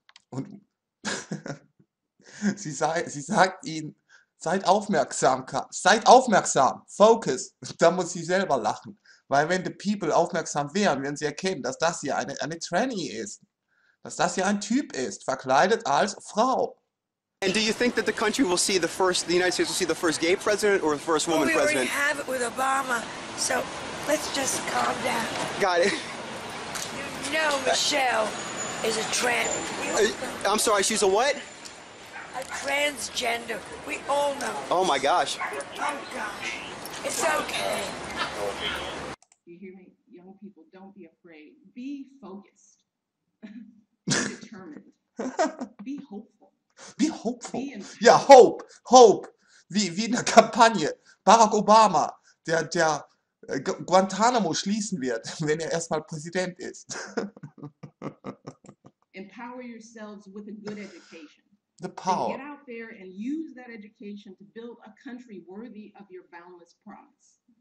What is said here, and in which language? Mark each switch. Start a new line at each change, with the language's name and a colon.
German: Und sie sagt ihnen, seid aufmerksam, focus, da muss sie selber lachen. Weil wenn
English: the people
German: aufmerksam wären, würden sie erkennen, dass das hier eine Tranny ist. Dass das hier ein Typ ist, verkleidet als Frau.
English: And do you think that the country will see the United States will see the first gay president or the first woman president? Well, we already have it with Obama, so let's just calm down. Got it. You know Michelle is a tranny. I'm sorry, she's a what? A transgender. We all know. Oh my gosh. Oh gosh. It's okay. You hear me, young people? Don't be afraid. Be focused. Be determined. Be hopeful. Be hopeful.
German: Ja, hope. Hope. Wie in der Kampagne. Barack Obama, der Guantanamo schließen wird, wenn er erstmal Präsident ist.
English: Empower yourselves with a good education. The power. And get out there and use that education to build a country worthy of your boundless promise.